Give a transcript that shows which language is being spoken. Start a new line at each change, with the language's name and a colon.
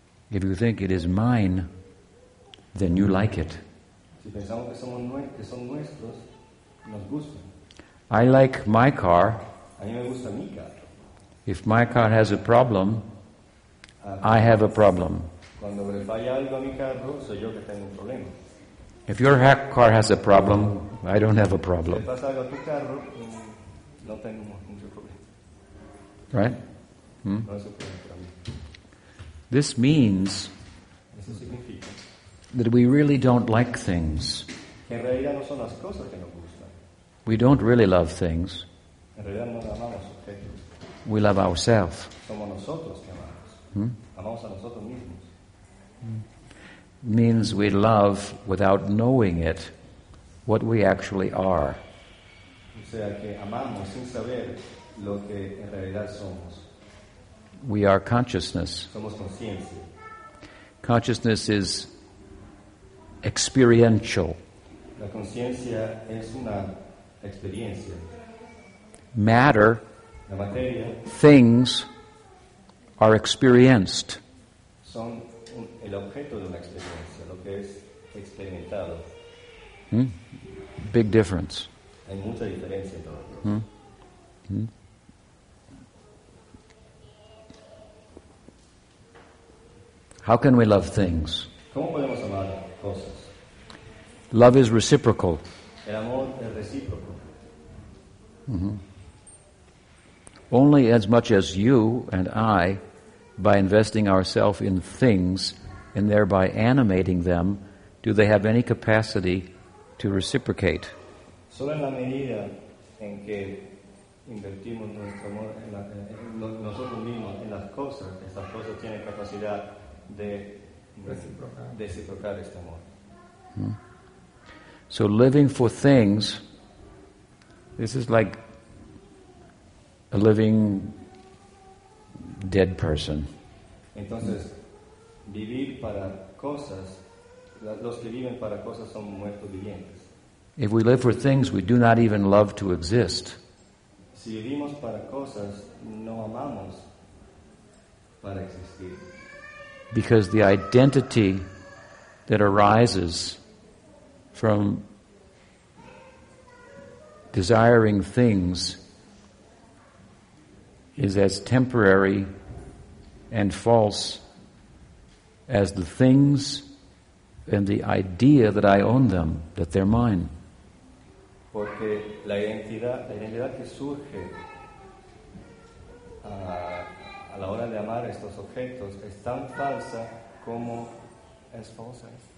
English: If you think it is mine, then you like it.
Spanish: Si pensamos que somos que son nuestros, nos gusta.
English: I like my car.
Spanish: A mí me gusta mi car.
English: If my car has a problem, I have a problem.
Spanish: Cuando le falla algo a mi carro, soy yo que tengo un problema.
English: If your car has a problem, I don't have a problem.
Spanish: Si le pasa algo a tu carro, no tengo mucho problema.
English: Right?
Spanish: Hmm? No es un problema para mí.
English: This means
Spanish: Eso significa
English: that we really don't like things.
Spanish: Que en realidad no son las cosas que nos gustan.
English: We don't really love things.
Spanish: En realidad no amamos objetos.
English: We love ourselves.
Spanish: Somos nosotros que amamos. Amamos a nosotros mismos.
English: Means we love without knowing it, what we actually are.
Spanish: O sea, que amamos sin saber lo que en realidad somos.
English: We are consciousness.
Spanish: Somos conciencia.
English: Consciousness is experiential.
Spanish: La conciencia es una experiencia.
English: Matter.
Spanish: La materia,
English: things are experienced.
Spanish: Son el objeto de una experiencia, lo que es experimentado.
English: Hmm? Big difference.
Spanish: Hay mucha diferencia entre los dos. Hmm? Hmm?
English: How can we love things?
Spanish: ¿Cómo podemos amar cosas?
English: Love is reciprocal.
Spanish: El amor es recíproco. Mm-hmm.
English: Only as much as you and I, by investing ourselves in things and thereby animating them, do they have any capacity to reciprocate.
Spanish: Solo en la medida en que invertimos nuestro amor nosotros mismos en las cosas tienen capacidad de reciprocar este amor.
English: So living for things, this is like a living dead person.
Spanish: Entonces, vivir para cosas, los que viven para cosas son muertos vivientes.
English: If we live for things, we do not even love to exist.
Spanish: Si vivimos para cosas, no amamos para existir.
English: Because the identity that arises from desiring things is as temporary and false as the things and the idea that I own them, that they're mine.
Spanish: Porque la identidad que surge a la hora de amar estos objetos es tan falsa como es falsa.